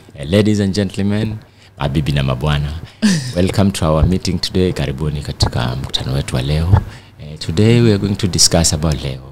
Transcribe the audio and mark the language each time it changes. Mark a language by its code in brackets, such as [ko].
[en] Ladies and gentlemen, [sw] mabibi na mabwana, [en] welcome to our meeting today. [sw] Karibuni katika mkutano wetu wa leo. [en] Today we are going to discuss about leo.